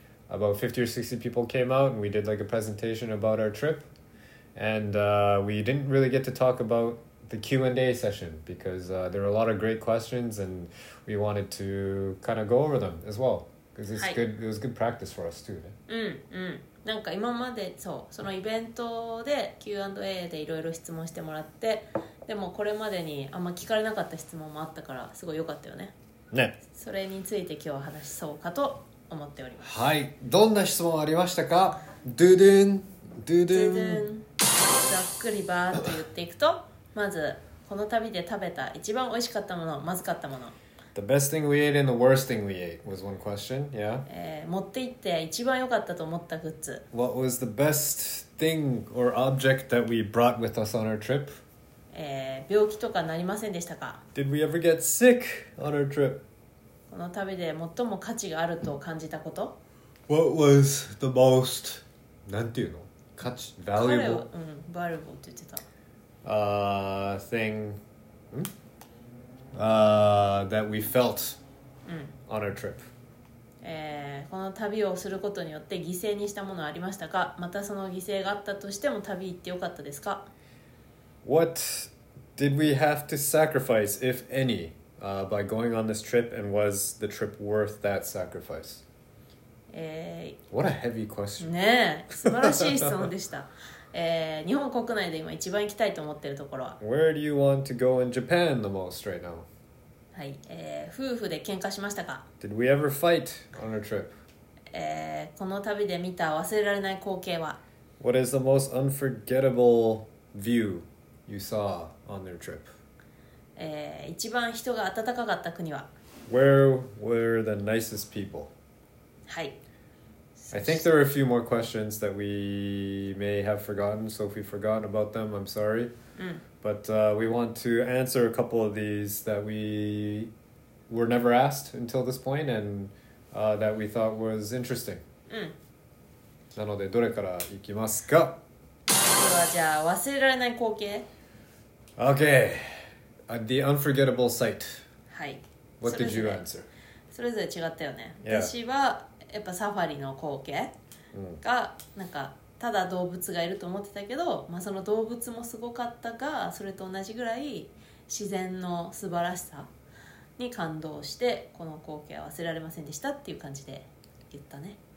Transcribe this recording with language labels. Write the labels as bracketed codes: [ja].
[en] About 50 or 60 people came out and we did like a presentation about our trip. And we didn't really get to talk about the Q&A session because there were a lot of great questions and we wanted to kind of go over them as well. Because it's good, it was good practice for us too. Mm, mm. [ja] なんか今までそう、そのイベントで Q&A でいろいろ質問してもらって、でもこれまでにあんま聞かれなかった質問もあったから、すごい良かったよね。ね。それについて今日は話しそうかと思っております。はい。どんな質問ありましたか？ドゥドゥン、ドゥドゥン。ざっくりバーっと言っていくと、まず、この旅で食べた一番美味しかったもの、まずかったもの。 [en] The best thing we ate and the worst thing we ate was one question, yeah? [ja] 持って行って一番良かったと思ったグッズ。 [en] What was the best thing or object that we brought with us on our trip? [ja] 病気とかなりませんでしたか? [en] Did we ever get sick on our trip? [ja] この旅で最も価値があると感じたこと? [en] What was the most, [ja] なんていうの?価値, [en] valuable? [ja] Valuable って言ってた。 [en] Thing, that we felt on our trip. [ja] この旅をすることによって犠牲にしたものありましたか？またその犠牲があったとしても旅行ってよかったですか？ [en] What did we have to sacrifice, if any, by going on this trip, and was the trip worth that sacrifice? What a heavy question. [ja] ねえ、素晴らしい質問でした。日本国内で今一番行きたいと思っているところは [en] Where do you want to go in Japan the most right now? [ja] はい、夫婦で喧嘩しましたか? [en] Did we ever fight on our trip? [ja] この旅で見た忘れられない光景は [en] What is the most unforgettable view you saw on their trip? [ja] 一番人が温かかった国は [en] Where were the nicest people? [ja] はい [en] I think there are a few more questions that we may have forgotten, so if we've forgotten about them, I'm sorry. But we want to answer a couple of these that we were never asked until this point, and that we thought was interesting. [ja] なのでどれから行きますか? ではじゃあ忘れられない光景? [en] Okay, the unforgettable sight. [ja] はい。 [en] What did you answer? [ja] それぞれ違ったよね。Yeah. 私はやっぱサファリの光景がなんかただ動物がいると思ってたけど、まあ、その動物もすごかったがそれと同じぐらい自然の素晴らしさに感動してこの光景は忘れられませんでしたっていう感じで言ったね。